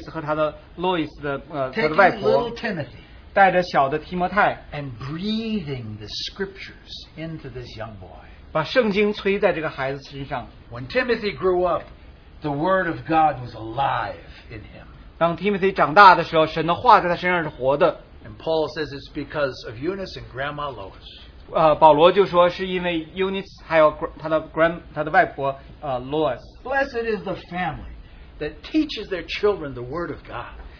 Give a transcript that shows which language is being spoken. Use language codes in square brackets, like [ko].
[zh] 你可以想到圣经里，因为尤内斯和他的洛伊斯的外婆，带着小的提摩太带着小的提摩太 [en] and breathing the scriptures into this young boy. [zh] 把圣经吹在这个孩子身上。 [en] When Timothy grew up, the word of God was alive in him. [zh] 当提摩太长大的时候，神的话在他身上是活的。 [en] And Paul says it's because of Eunice and Grandma Lois. [zh] 保罗就说是因为Eunice还有他的外婆Lois。 [en] Blessed is the family that teaches their children the word of God.